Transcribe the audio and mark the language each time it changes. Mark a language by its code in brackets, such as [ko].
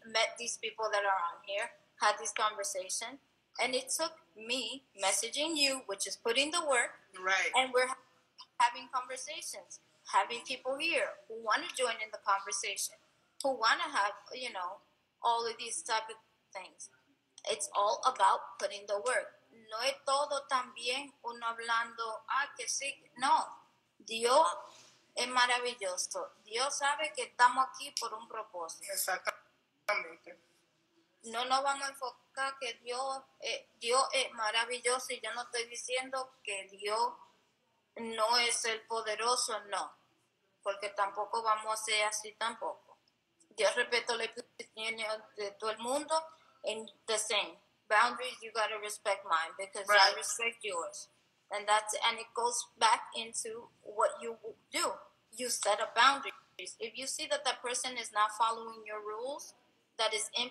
[en] Met these people that are on here, had this conversation. And it took me messaging you, which is putting the work. Right. And we're having conversations. Having people here who want to join in the conversation, who want to have, you know, all of these type of things. It's all about putting the work. [es] No es todo también uno hablando, ah, que sí. No. Dios es maravilloso. Dios sabe que estamos aquí por un propósito. Exactamente. No nos vamos a enfocar que Dios es maravilloso y yo no estoy diciendo que Dios no es el poderoso, no. Porque tampoco vamos a ser así tampoco. Yo respeto la opinión de todo el mundo. [en] And the same. Boundaries, you got to respect mine. Because right. I respect yours. And that's and it goes back into what you do. You set up boundaries. If you see that that person is not following your rules, that is...